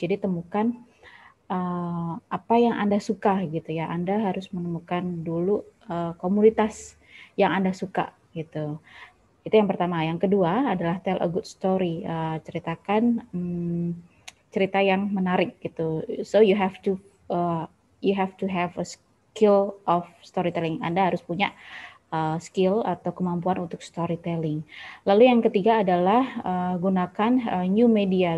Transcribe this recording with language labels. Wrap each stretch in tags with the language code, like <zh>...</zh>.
<id>Jadi temukan apa yang Anda suka gitu ya. Anda harus menemukan dulu komunitas yang Anda suka gitu. Itu yang pertama. Yang kedua adalah</id> <en>tell a good story.</en> <id>Ceritakan cerita yang menarik gitu.</id> <en>So you have to have a skill of storytelling.</en> <id>Anda harus punya skill atau kemampuan untuk storytelling. Lalu yang ketiga adalah gunakan new media.</id>